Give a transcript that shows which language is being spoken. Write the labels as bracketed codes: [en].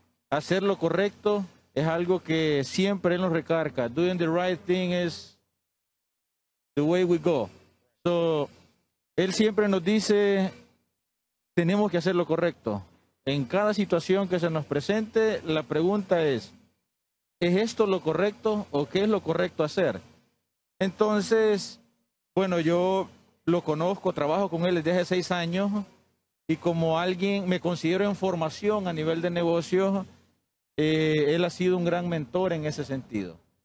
[es] Hacer lo correcto es algo que siempre él nos recarga. [en] Doing the right thing is the way we go. [es] So, él siempre nos dice, tenemos que hacer lo correcto. En cada situación que se nos presente, la pregunta es, ¿es esto lo correcto o qué es lo correcto hacer? Entonces, bueno, yo lo conozco, trabajo con él desde hace 6 años y como alguien me considero en formación a nivel de negocio, él ha sido un gran mentor en ese sentido.